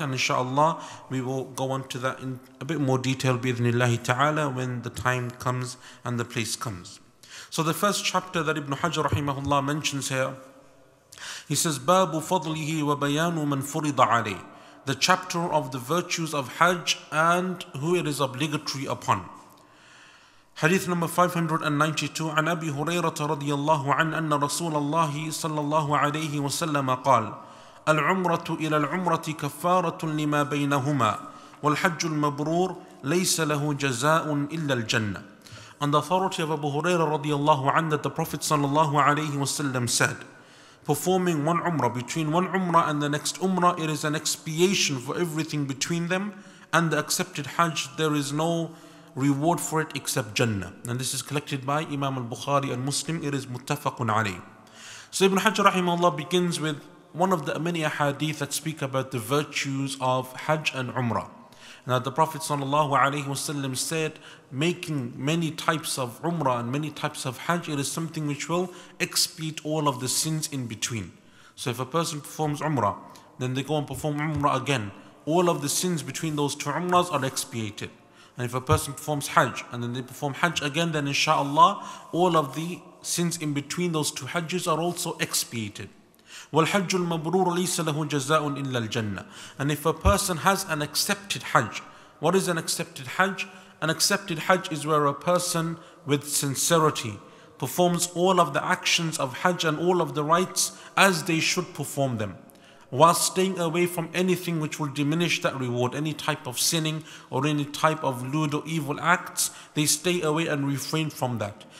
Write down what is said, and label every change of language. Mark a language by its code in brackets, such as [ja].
[en] And inshallah, we will go on to that in a bit more detail bi-idhnillahi ta'ala when the time comes and the place comes. So the first chapter that Ibn Hajar rahimahullah mentions here, he says, [ar] بَابُ فَضْلِهِ وَبَيَانُ مَنْ فُرِضَ عَلَيْهِ. [en] The chapter of the virtues of Hajj and who it is obligatory upon. Hadith number 592. [ar] عن أبي هريرة رضي الله عنه أن رسول الله صلى الله عليه وسلم قال العمرة إلى العمرة كفارة لما بينهما والحج المبرور ليس له جزاء إلا الجنة. [en] On the authority of Abu Huraira [ar] رضي الله عنه, [en] that the Prophet [ar] صلى الله عليه وسلم [en] said, performing one Umrah, between one Umrah and the next Umrah, it is an expiation for everything between them, and the accepted Hajj, there is no reward for it except Jannah. And this is collected by Imam al-Bukhari and Muslim. It is muttafaqun alayh. So Ibn Hajar rahimahullah begins with one of the many ahadith that speak about the virtues of Hajj and Umrah. Now the Prophet sallallahu alayhi wasallam said, making many types of umrah and many types of hajj, it is something which will expiate all of the sins in between. So if a person performs umrah, then they go and perform umrah again, all of the sins between those two umrahs are expiated. And if a person performs hajj and then they perform hajj again, then inshallah, all of the sins in between those two hajjis are also expiated. [ar] والحج المبرور ليس له جزاء إلا الجنة. [en] And if a person has an accepted hajj, what is an accepted hajj? An accepted hajj is where a person with sincerity performs all of the actions of hajj and all of the rites as they should perform them, while staying away from anything which will diminish that reward, any type of sinning or any type of lewd or evil acts, they stay away and refrain from that.